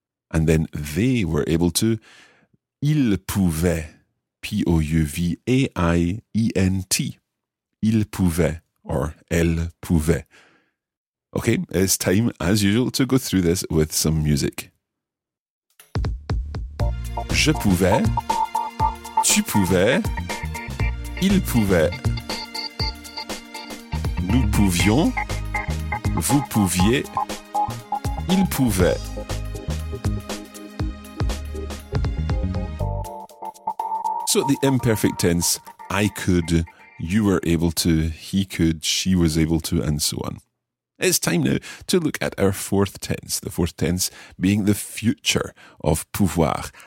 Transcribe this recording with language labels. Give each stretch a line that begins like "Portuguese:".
English: And then they were able to,
French: ils pouvaient,
English: P-O-U-V-A-I-E-N-T, ils pouvaient, or
French: elles pouvaient.
English: Okay, it's time, as usual, to go through this with some music.
French: Je pouvais, tu pouvais, il pouvait. Nous pouvions, vous pouviez, il pouvait.
English: So the imperfect tense, I could, you were able to, he could, she was able to, and so on. It's time now to look at our fourth tense, the fourth tense being the future of pouvoir.